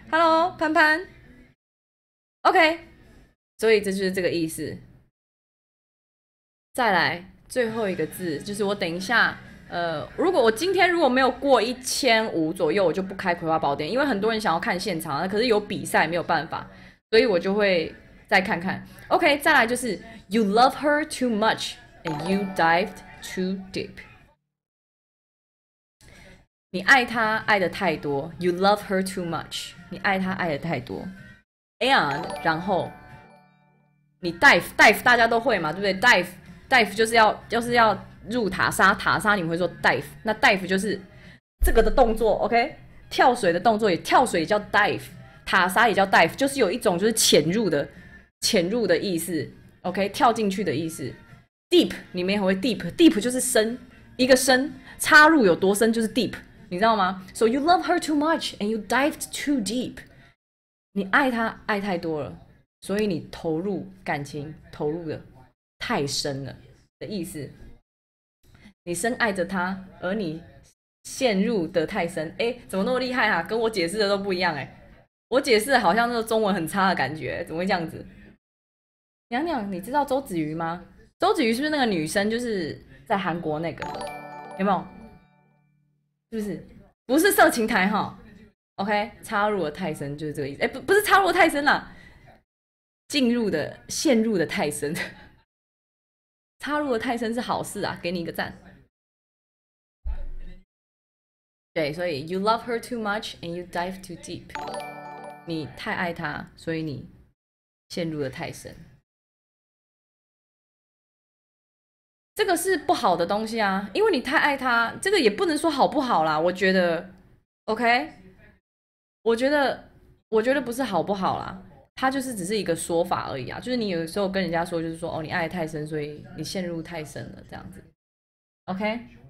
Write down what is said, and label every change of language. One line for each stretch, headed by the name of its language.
Chinese: Hello， 潘潘 ，OK。所以这就是这个意思。再来最后一个字，就是我等一下，如果我今天如果没有过1500左右，我就不开葵花宝典，因为很多人想要看现场，可是有比赛没有办法，所以我就会再看看。
English: OK，
Chinese: 再来就是
English: You love her too much and you dived too deep。
Chinese: 你爱她爱的太多 ，
English: You love her too much。
Chinese: 你爱她爱的太多 ，and 然后你 dive 大家都会嘛，对不对 ？dive 就是要入塔沙塔沙，你们会说 dive。那 dive 就是这个的动作 ，OK？ 跳水的动作也跳水也叫 dive， 塔沙也叫 dive， 就是有一种就是潜入的意思 ，OK？跳进去的意思 ，deep 你们也会 deep 就是深，一个深插入有多深就是 deep。你知道吗
English: ？So you love her too much and you dived too deep。
Chinese: 你爱她爱太多了，所以你投入感情投入的太深了的意思。你深爱着她，而你陷入得太深。哎，怎么那么厉害啊？跟我解释的都不一样哎。我解释的好像那个中文很差的感觉，怎么会这样子？娘娘，你知道周子瑜吗？周子瑜是不是那个女生，就是在韩国那个？有没有？是不是？不是色情台哈 ？OK， 插入的太深就是这个意思。欸、不是插入的太深啦，进入的陷入的太深。插入的太深是好事啊，给你一个赞。对，所以
English: you love her too much and you dive too deep。
Chinese: 你太爱她，所以你陷入得太深。这个是不好的东西啊，因为你太爱他，这个也不能说好不好啦。我觉得，OK，我觉得不是好不好啦，它就是只是一个说法而已啊。就是你有时候跟人家说，就是说，哦，你爱太深，所以你陷入太深了，这样子，OK？